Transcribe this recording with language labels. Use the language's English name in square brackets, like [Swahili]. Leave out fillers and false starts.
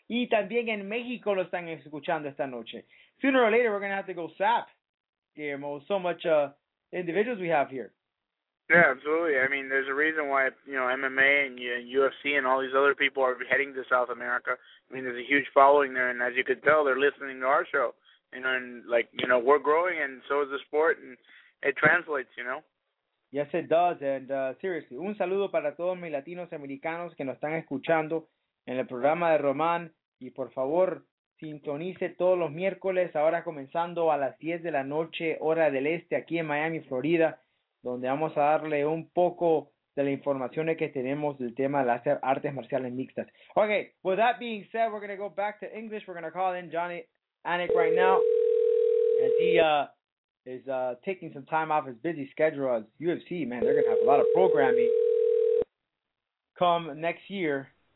[Spanish] Y también en México lo están escuchando esta noche. [English] Sooner or later, we're going to have to go SAP. Guillermo, so much individuals we have here. Yeah, absolutely. I mean, there's a reason why, you know, MMA and UFC and all these other people are heading to South America. I mean, there's a huge following there, and as you could tell, they're listening to our show. You know, and like, you know, we're growing, and so is the sport, and it translates, you know. Yes, it does. And seriously, [Spanish] un saludo para todos mis latinos americanos que nos están escuchando en el programa de Román, y por favor, sintonice todos los miércoles, ahora comenzando a las 10 de la noche, hora del este, aquí en Miami, Florida, donde vamos a darle un poco de las informaciones que tenemos del tema de las artes marciales mixtas. [English] Okay, with that being said, we're going to go back to English. We're going to call in Johnny Anik right now, as he is taking some time off his busy schedule as UFC, man. They're going to have a lot of programming come next year.